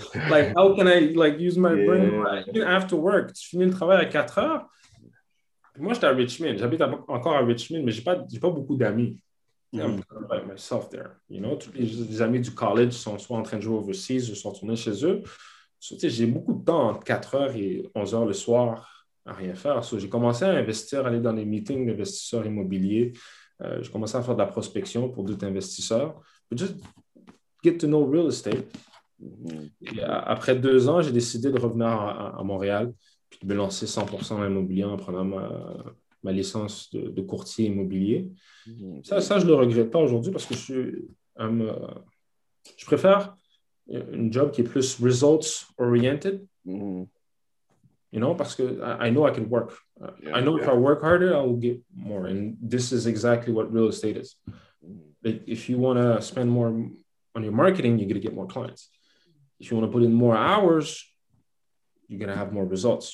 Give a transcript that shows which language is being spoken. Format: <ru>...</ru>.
<en>Like, how can I, like, use my brain? Even after work,</en> <fr>tu finis le travail à 4 heures. Moi, j'étais à Richmond. J'habite encore à Richmond, mais j'ai pas beaucoup d'amis. Mm-hmm.</fr> <en>I'm by myself there. You know,</en> <fr>tous les amis du college sont soit en train de jouer overseas ou sont retournés chez eux. So, tu sais, j'ai beaucoup de temps entre 4 heures et 11 heures le soir à rien faire. So, j'ai commencé à investir, aller dans les meetings d'investisseurs immobiliers. J'ai commencé à faire de la prospection pour d'autres investisseurs.</fr> <en>But just get to know real estate.</en> <fr>Mm-hmm. Et après 2 ans, j'ai décidé de revenir à Montréal. Puis de me lancer 100% dans l'immobilier en prenant ma licence de courtier immobilier. Mmh. Ça, je ne le regrette pas aujourd'hui parce que je préfère un job qui est plus results-oriented. Mmh.</fr> <en>You know,</en> <fr>parce que</fr> <en>I know I can work. Yeah, I know if I work harder, I will get more. And this is exactly what real estate is. Like, if you want to spend more on your marketing, you're going to get more clients. If you want to put in more hours, you're going to have more results.</en>